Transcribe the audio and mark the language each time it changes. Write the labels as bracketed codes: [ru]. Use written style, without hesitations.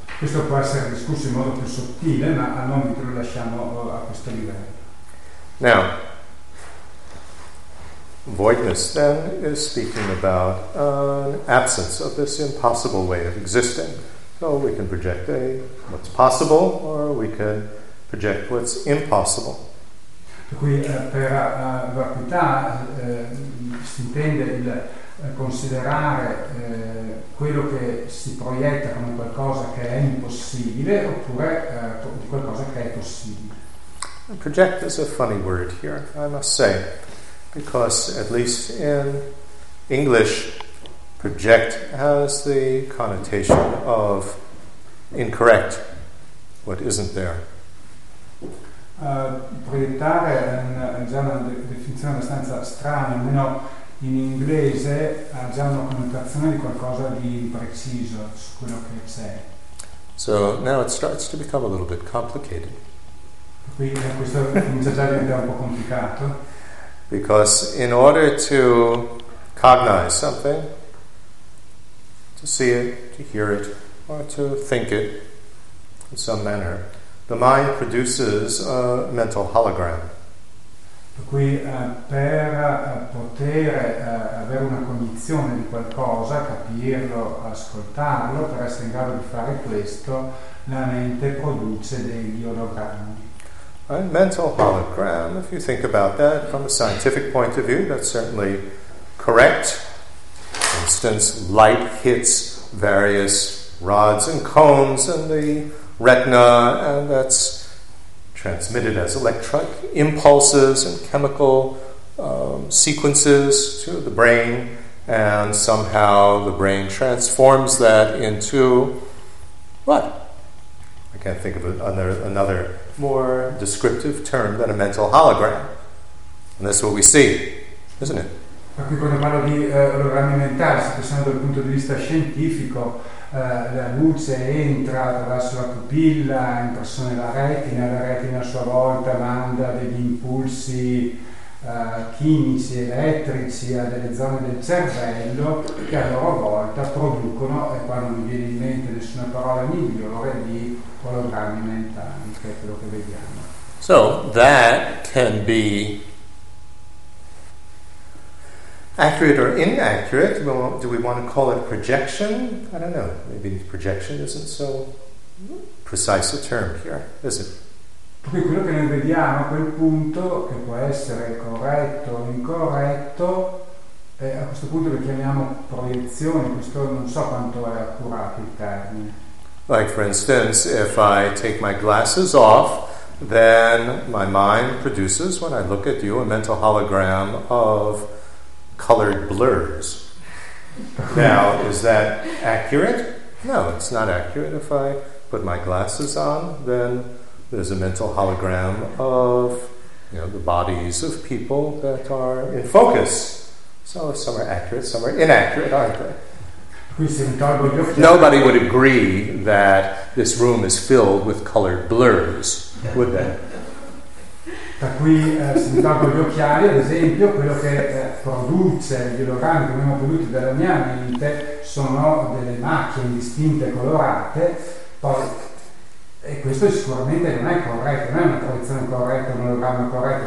[it] Questo può essere discusso in modo più sottile, ma al momento lo lasciamo a questo livello. [en] Now, voidness then is speaking about an absence of this impossible way of existing. So we can project what's possible, or we can project what's impossible. [it] Qui per vacuità si intende il considerare quello che si proietta come qualcosa che è impossibile, oppure qualcosa che è possibile. [en] Project is a funny word here, I must say, because at least in English, project has the connotation of incorrect, what isn't there. [it] Proiettare è già una definizione abbastanza strana, almeno in inglese ha già una connotazione di qualcosa di impreciso su quello che c'è. [en] So now it starts to become a little bit complicated. [it] Qui questo comincia già a diventare un po' complicato. [en] Because in order to cognize something, to see it, to hear it, or to think it in some manner, the mind produces a mental hologram. [it] Per cui per poter avere una cognizione di qualcosa, capirlo, ascoltarlo, per essere in grado di fare questo, la mente produce degli ologrammi. [en] A mental hologram, if you think about that from a scientific point of view, that's certainly correct. For instance, light hits various rods and cones in the retina, and that's transmitted as electric impulses and chemical sequences to the brain, and somehow the brain transforms that into what? I can't think of another more descriptive term than a mental hologram. And that's what we see, isn't it? [it] Ma qui quando parlo di ologrammi mentali, se pensiamo dal punto di vista scientifico, la luce entra attraverso la pupilla, impressione la retina a sua volta manda degli impulsi chimici, elettrici a delle zone del cervello che a loro volta producono, e qua non mi viene in mente nessuna parola migliore, di ologrammi mentali, che è quello che vediamo. [en] So, that can be accurate or inaccurate? Do we want to call it projection? I don't know. Maybe projection isn't so precise a term here, is it? [it] Okay, quello che noi vediamo a quel punto, che può essere corretto o incorretto, a questo punto le chiamiamo proiezioni, questo non so quanto è accurato il termine. [en] Like for instance, if I take my glasses off, then my mind produces, when I look at you, a mental hologram of colored blurs. Now, is that accurate? No, it's not accurate. If I put my glasses on, then there's a mental hologram of, you know, the bodies of people that are in focus. So some are accurate, some are inaccurate, aren't they? Nobody would agree that this room is filled with colored blurs, would they? [it] Da qui se mi tolgo gli occhiali, ad esempio, quello che produce gli ologrammi come vengono prodotti dalla mia mente sono delle macchie indistinte, colorate, poi, e questo sicuramente non è corretto, non è una proiezione corretta, un ologramma corretto.